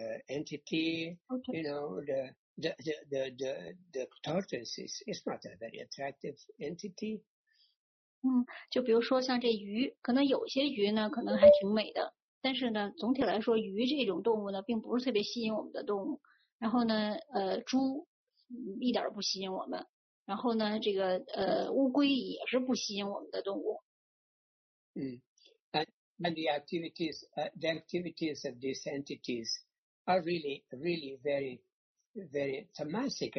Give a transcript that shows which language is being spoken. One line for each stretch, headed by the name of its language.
English: Entity, you know, the tortoise is not a very attractive entity.
Chinese: 就比如说像这鱼，可能有些鱼呢，可能还挺美的，但是呢，总体来说，鱼这种动物呢，并不是特别吸引我们的动物。然后呢，猪一点不吸引我们。然后呢，这个乌龟也是不吸引我们的动物。
English: And the activities, the activities of these entities are really, really very, very tamasic.